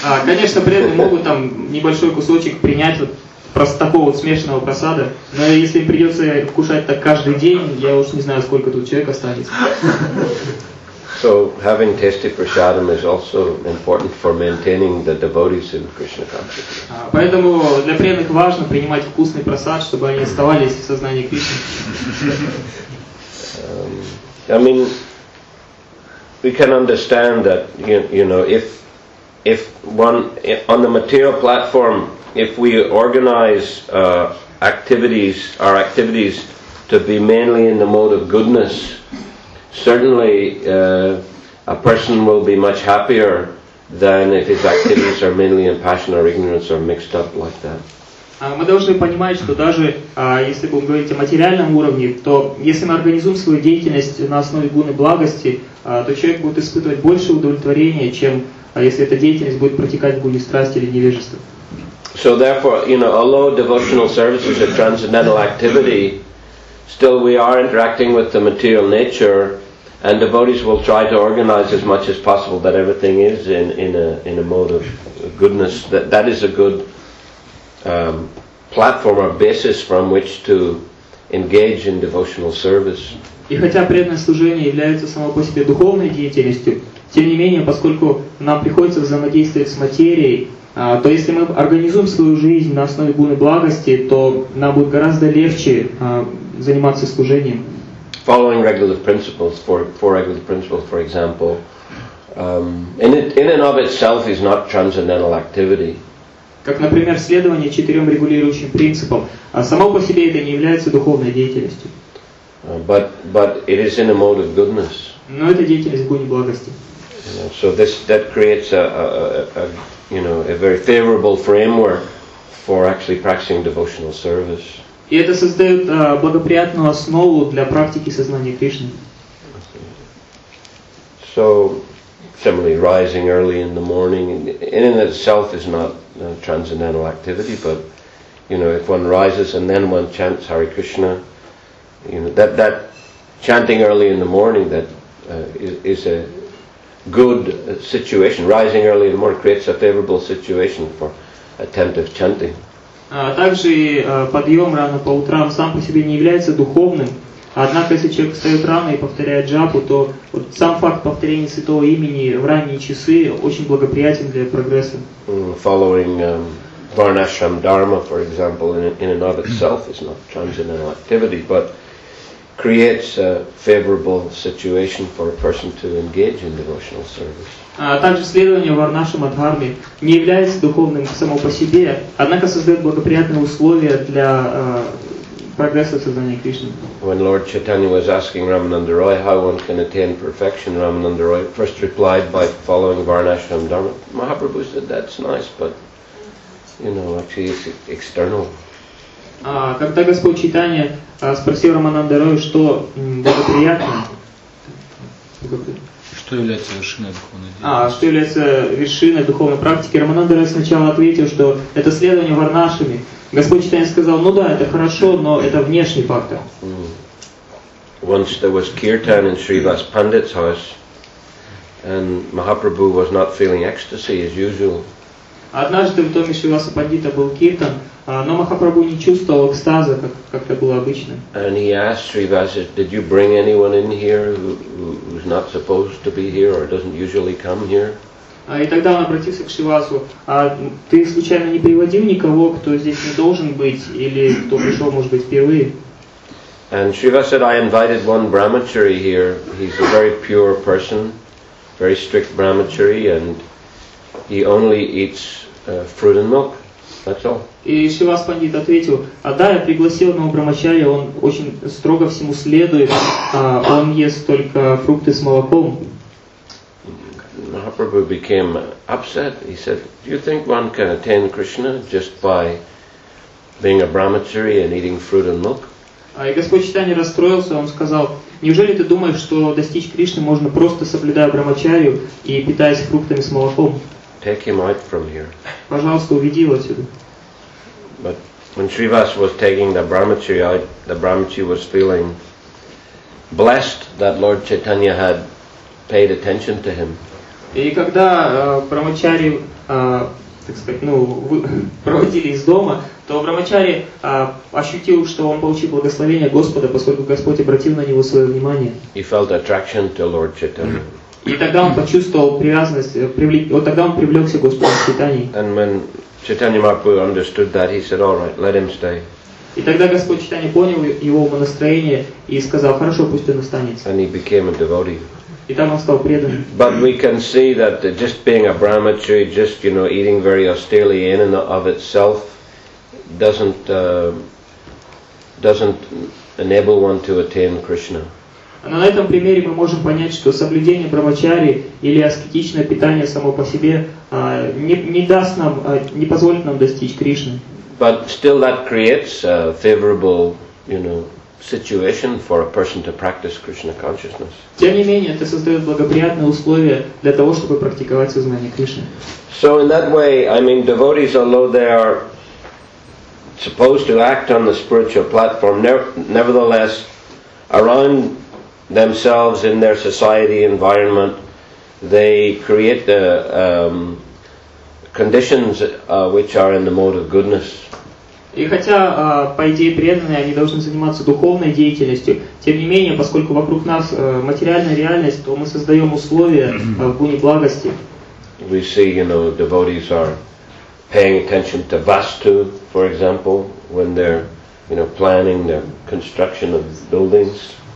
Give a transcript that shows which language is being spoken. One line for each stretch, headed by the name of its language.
Russian: Конечно, преданные могут там небольшой кусочек принять вот просто такого вот смешанного просада, но если придется кушать так каждый день, я уж не знаю, сколько тут человек останется.
English: So having tasty prasadam is also important for maintaining the devotees in Krishna consciousness.
Russian: Поэтому для преданных важно принимать вкусный просад, чтобы они оставались в сознании Кришны.
English: I mean, we can understand that, you know, if one on the material platform, if we organize our activities to be mainly in the mode of goodness, certainly a person will be much happier than if his activities are mainly in passion or ignorance or mixed up like that.
Russian: Мы должны понимать, что даже если будем говорить о материальном уровне, то если мы организуем свою деятельность на основе гуны благости, то человек будет испытывать больше удовлетворения, чем если эта деятельность будет протекать в гуне страсти или невежества.
English: So therefore, you know, although devotional service is a transcendental activity, still we are interacting with the material nature, and devotees will try to organize as much as possible that everything is in a mode of goodness. That is a good platform or basis from which to engage in devotional service.
Russian: И хотя преданное служение является само по себе духовной деятельностью, тем не менее, поскольку нам приходится взаимодействовать с материей, то если мы организуем свою жизнь на основе гуны благости, то нам будет гораздо легче заниматься служением.
English: Following regular principles, four regular principles, for example, in and of itself is not transcendental activity.
Russian: Как, например, следование четырем регулирующим принципам, само по себе это не является духовной деятельностью.
English: But it is in a mode of goodness.
Russian: Но это деятельность в гуне благости.
English: So that creates a very favorable framework for actually practicing devotional service.
Russian: И это создает благоприятную основу для практики сознания Кришны.
English: So, similarly, rising early in the morning in and of itself is not transcendental activity, but you know, if one rises and then one chants Hare Krishna, you know, that chanting early in the morning is a good situation. Rising early in the morning creates a favorable situation for attentive chanting.
Russian: Также подъем рано по утрам сам по себе не является духовным. Однако, если человек встает рано и повторяет джапу, то вот сам факт повторения святого имени в ранние часы очень благоприятен для прогресса.
English: Following Varnashram Dharma, for example, in and of itself is not transcendental activity, but creates a favorable situation for a person to engage in devotional service.
Russian: Также следование Варнашрама Дхарме не является духовным само по себе, однако создает благоприятные условия для прогресса сознания Кришны.
English: When Lord Chaitanya was asking Ramananda Roy how one can attain perfection, Ramananda Roy first replied by following Varnashram Dharma. Mahaprabhu said, that's nice, but, you know, actually it's external.
Russian: Когда Господь Чайтанья спросил Рамананда Роя, что благоприятно, что является вершиной духовной практики? Что является вершиной духовной практики? Рамананда Роя сначала ответил, что это следование варнашами. Господь Чайтанья сказал, ну да, это хорошо, но это внешний фактор.
English: Once there was kirtan in Srivas Pandit's house, and Mahaprabhu was not feeling ecstasy as usual.
Russian: Однажды в доме Шриваса Пандита был киртан, но Махапрабху не чувствовал экстаза, как это было обычно.
English: And he asked Srivasa, did you bring anyone in here who's not supposed to be here or doesn't usually come here?
Russian: И тогда он обратился к Шривасу, ты случайно не приводил никого, кто здесь не должен быть или кто пришел, может быть, впервые?
English: And Srivasa said, I invited one brahmachari here. He's a very pure person, very strict brahmachari, and he only eats fruit and milk. That's all.
Russian: И Шивас Пандит ответил, да, я пригласил одного брамачарья, он очень строго всему следует, он ест только фрукты с молоком.
English: Mahaprabhu became upset. He said, do you think one can attain Krishna just by being a brahmachari and eating fruit and milk?
Russian: И Господь Чайтанья расстроился, он сказал, неужели ты думаешь, что достичь Кришны можно просто соблюдая брамачарью и питаясь фруктами с молоком?
English: Take him out from here.
Russian: Пожалуйста, уведи его отсюда.
English: But when Srivas was taking the brahmachari out, the brahmachari was feeling blessed that Lord Chaitanya had paid attention to him.
Russian: И когда брахмачари, так сказать, ну, проводили из дома, то брахмачари ощутил, что он получил благословение Господа, поскольку Господь обратил на него свое внимание.
English: He felt attraction to Lord Chaitanya.
Russian: И тогда он почувствовал привязанность, вот тогда он привлекся к Господу Чайтанье.
English: And when Chaitanya Mahaprabhu understood that, he said, all right, let him stay.
Russian: И тогда Господь Чайтанья понял его настроение и сказал, хорошо, пусть он останется.
English: And he became a devotee.
Russian: И там он стал преданным.
English: But we can see that just being a brahmachari, just, you know, eating very austerely in and of itself doesn't enable one to attain Krishna.
Russian: Но на этом примере мы можем понять, что соблюдение брахмачари или аскетичное питание само по себе не даст нам, не позволит нам достичь Кришны.
English: But still that creates a favorable, you know, situation for a person to practice Krishna consciousness.
Russian: Тем не менее, это создает благоприятные условия для того, чтобы практиковать сознание Кришны.
English: So in that way, I mean, devotees, although they are supposed to act on the spiritual platform, nevertheless, around themselves in their society environment, they create the conditions which are in the mode of goodness.
Russian: И хотя, по идее, преданные, они должны заниматься духовной деятельностью, тем не менее, поскольку вокруг нас материальная реальность, то мы создаем условия в гуне благости.
English: We see, you know, devotees are paying attention to Vastu, for example, when they're, you know, planning the construction of buildings.